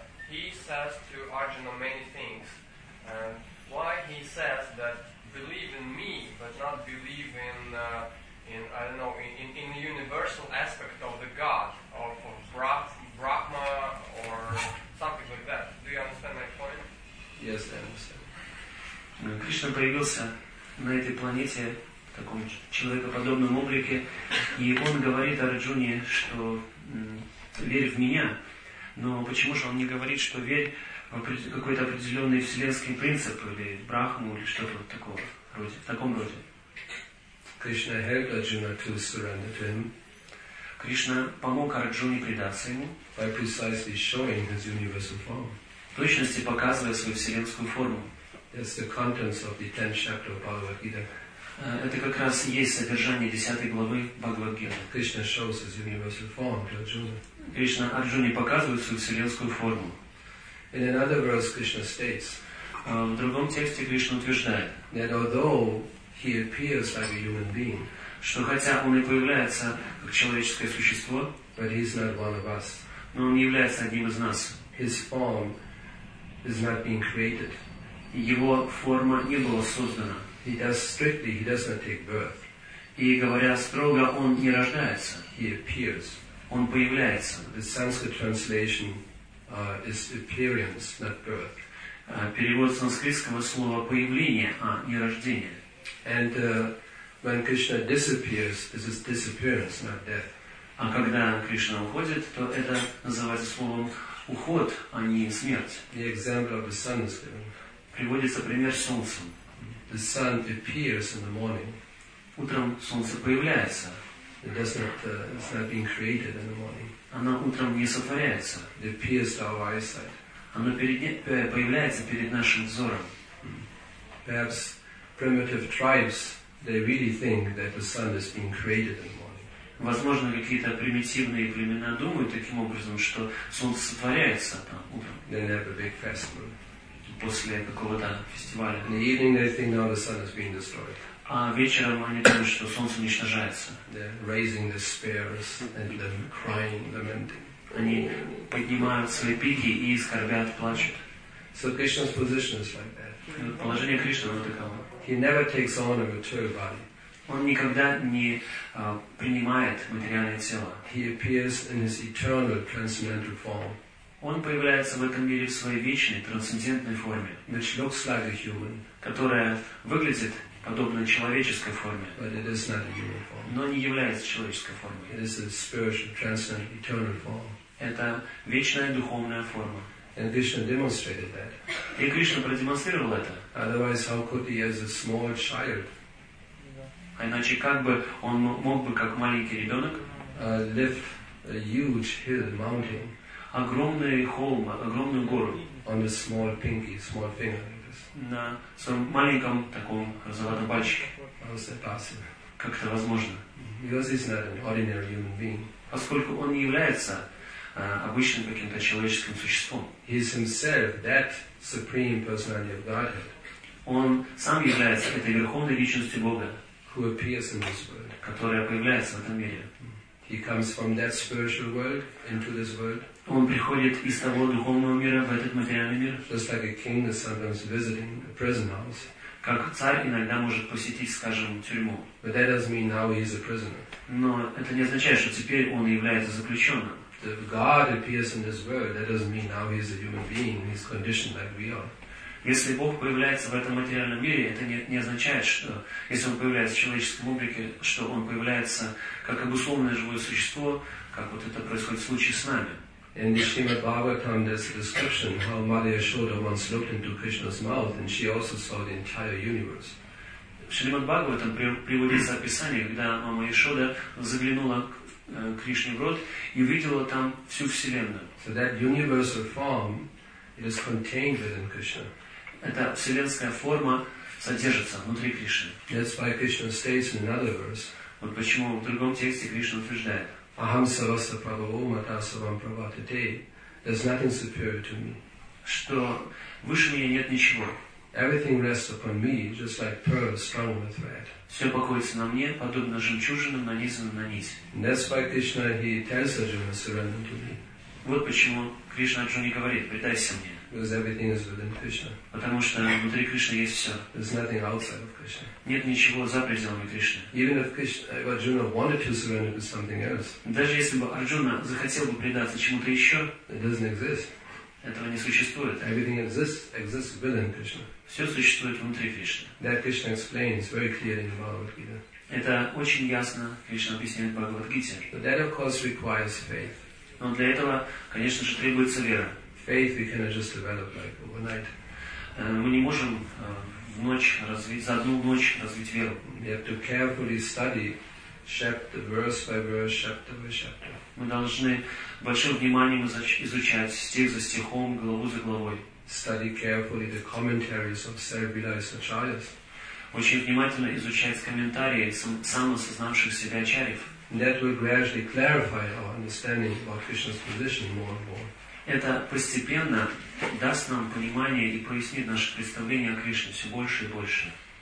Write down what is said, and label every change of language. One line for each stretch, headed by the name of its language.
English: He says to Arjuna many things. And why he says that believe in me, but not believe in the universal aspect of the God, of Brahma, or... Something like that. Do you understand my point? Yes, I understand.
Russian: Кришна появился на этой планете в таком человекоподобном облике, и он говорит Арджуне, что верь в меня, но почему же он не говорит, что верь в какой-то определенный вселенский принцип или Брахму или что-то такого роде, в таком роде?
English: Krishna helped Arjuna to surrender to him.
Russian: Кришна помог Арджуне предаться ему.
English: By precisely showing his universal form.
Russian: В точности показывая свою вселенскую форму.
English: That's the contents of the 10th chapter of Bhagavad Gita.
Russian: Это как раз и есть содержание 10 главы Бхагавад-гиты.
English: Krishna shows his universal form to Arjuna.
Russian: Кришна Арджуне показывает свою вселенскую форму.
English: In another verse, Krishna states.
Russian: В другом тексте Кришна утверждает.
English: That although he appears like a human being.
Russian: Что хотя он и появляется как человеческое существо.
English: But he is not one of us.
Russian: Но он является одним из нас.
English: His form is not being created.
Russian: Его форма не была создана.
English: He does strictly, he does not take birth.
Russian: И говоря строго, он не рождается.
English: He appears.
Russian: Он появляется.
English: The Sanskrit translation is appearance, not birth.
Russian: Перевод санскритского слова появление, а не рождение.
English: And when Krishna disappears, this is disappearance, not death.
Russian: А когда Кришна уходит, то это называется словом уход, а не смерть.
English: The example of the sun is given.
Russian: Приводится пример солнца.
English: The sun appears in the morning.
Russian: Утром солнце появляется.
English: It does not, it's not being created in the morning.
Russian: Оно утром не сотворяется.
English: It appears to our eyesight.
Russian: Оно появляется перед нашим взором.
English: Perhaps primitive tribes, they really think that the sun is being created in the morning.
Russian: Возможно, какие-то примитивные племена думают таким образом, что солнце сотворяется там утром.
English: They have a big festival.
Russian: После какого-то фестиваля.
English: In the evening they think now the sun is being destroyed.
Russian: А вечером они думают, что солнце уничтожается.
English: They're raising their spears and they're crying, lamenting.
Russian: Они поднимают свои пики и скорбят, плачут.
English: So Krishna's position is like that.
Russian: Положение Кришны вот таково.
English: He never takes on a material body.
Russian: Он никогда не принимает материальное тело.
English: He appears in his eternal transcendental form.
Russian: Он появляется в этом мире в своей вечной, трансцендентной форме,
English: which looks like a human,
Russian: которая выглядит подобно человеческой форме,
English: but it is not a human form.
Russian: Но не является человеческой формой.
English: It is a spiritual, transcendent, eternal form.
Russian: Это вечная духовная форма.
English: And Krishna demonstrated that.
Russian: И Кришна продемонстрировал это.
English: Otherwise, how could he as a small child,
Russian: а иначе как бы он мог бы, как маленький ребенок,
English: lift a huge hill, mountain,
Russian: огромный холм, огромную гору.
English: On a small pinky, small finger like this.
Russian: На своем маленьком таком золотом пальчике.
English: How is that possible?
Russian: Как это возможно?
English: Because he's not an ordinary human being.
Russian: Поскольку он не является обычным каким-то человеческим существом.
English: He is himself that supreme personality of Godhead.
Russian: Он сам является этой верховной личностью Бога.
English: Who appears in this world.
Russian: Которая появляется в этом мире.
English: He comes from that spiritual world into this world.
Russian: Он приходит из того духовного мира в этот материальный мир.
English: Just like a king is sometimes visiting a prison house.
Russian: Как царь иногда может посетить, скажем, тюрьму.
English: But that doesn't mean now he is a prisoner.
Russian: Но это не означает, что теперь он является заключенным.
English: If God appears in this world, that doesn't mean now he is a human being. He's conditioned like we are.
Russian: Если Бог появляется в этом материальном мире, это не означает, что если он появляется в человеческом облике, что он появляется как обусловленное живое существо, как вот это происходит в случае с нами.
English: In the Srimad Bhagavatam, there's a description how Mother Yashoda once looked into Krishna's mouth, and she also saw the entire universe.
Russian: В Шримад Бхагаватам приводится описание, когда мама Яшода заглянула к Кришне в рот и видела там всю вселенную.
English: So that universal form is contained within Krishna.
Russian: Эта вселенская форма содержится внутри Кришны.
English: That's why Krishna states in another verse.
Russian: Вот почему в другом тексте Кришна утверждает.
Sanskrit: Aham sarvasya prabhavo mata sarvam prabhavate.
English: There's nothing superior to me.
Russian: Что выше меня нет ничего.
English: Everything rests upon me, just like pearls strung on a thread.
Russian: Все покоится на мне, подобно жемчужинам, нанизанным на нить.
English: And that's why Krishna he tells Arjuna surrender to me.
Russian: Вот почему Кришна Арджуне говорит: предайся мне.
English: Because everything is within Krishna.
Russian: Потому что внутри Кришны есть все.
English: There's nothing outside of Krishna.
Russian: Нет ничего за пределами Кришны.
English: Even if Krishna, if Arjuna wanted to surrender to something else.
Russian: Даже если бы Арджуна захотел бы предаться чему-то еще.
English: It doesn't exist.
Russian: Этого не существует.
English: Everything exists within Krishna.
Russian: Все существует внутри Кришны.
English: That Krishna explains very clearly in Bhagavad Gita.
Russian: Это очень ясно Кришна объясняет в Бхагавад Гите.
English: But that of course requires faith.
Russian: Но для этого, конечно же, требуется вера.
English: Faith we cannot just develop like overnight.
Russian: Мы не можем в ночь развить, за одну ночь развить веру.
English: We have to carefully study chapter, verse by verse, chapter by chapter.
Russian: Мы должны большим вниманием изучать стих за стихом, главу за главой.
English: study carefully the commentaries of Sarabhidayi's Acharyas.
Russian: Очень внимательно изучать комментарии самосознавших себя Ачарьев.
English: That will gradually clarify our understanding about Krishna's position more and more.
Russian: Это постепенно даст нам понимание и прояснит наше представление о Кришне все больше и больше.